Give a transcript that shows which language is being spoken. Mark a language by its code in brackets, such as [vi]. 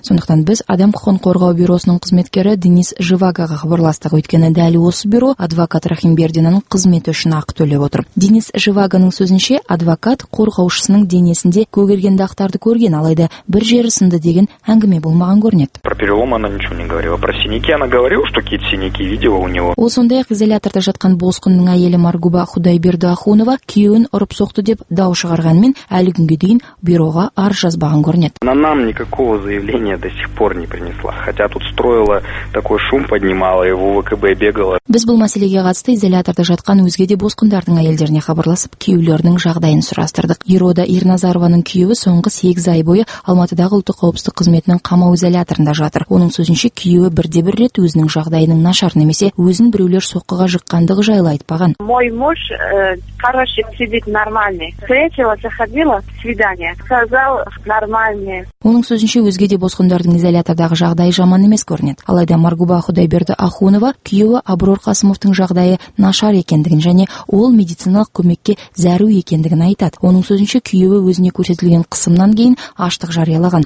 [kk] Сондықтан біз адам құқығын қорғау бюросының қызметкері Денис Живагаға хабарластық, өйткені дәл осы бюро адвокат Рахимбердинаның қызметі үшін ақы төлеп отыр. Денис Живаганың сөзінше, адвокат қорғаушысының денесінде көгерген дақтарды көрген, алайда бір жері сынды деген әңгіме болмаған көрінеді. [ru] Про перелом она ничего не говорила, про синяки она говорила, что какие-то синяки видела у него. [kk] Ол сондай-ақ изоляторда жатқан босқынның әйелі Маргуба Худайберді Ахунова күйеуін ұрып соқты деп дау шығарғанмен әлі күнге дейін бюроға арыз жазбаған көрінеді. [ru] Она нам никакого заявления до сих пор не принесла, хотя тут строила такой шум поднимала и в УВКБ бегала. [kk] Біз бұл мәселеге қатысты изоляторда жатқан өзге де босқындардың әйелдеріне хабарласып, күйеулерінің жағдайын сұрастырдық. Ерода Ирназарованың күйеуі соңғы 8 ай бойы Алматыдағы ұлттық қауіпсіздік қызметінің қамау изоляторында жатыр. Оның сөзінше күйеуі бірде бір рет өзінің жағдайының нашар немесе өзін біреулер соққыға жыққандығы жайлы айтпаған. [ru] Мой муж хороший, сидит нормальный. Встретила, заходила, свидание. Сказал, нормальный. [kk] Оның сөзінше өзге де босқындардың изолятордағы жағдайы жаман емес көрінеді. Алайда Маргуба Худайберді Ахунова күйеуі Абрур Қасымовтың жағдайы нашар екендігін және ол медициналық көмекке зәру екендігін айтады. Оның сөзінше күйеуі өзіне көрсетілген қысымнан кейін аштық жариялаған.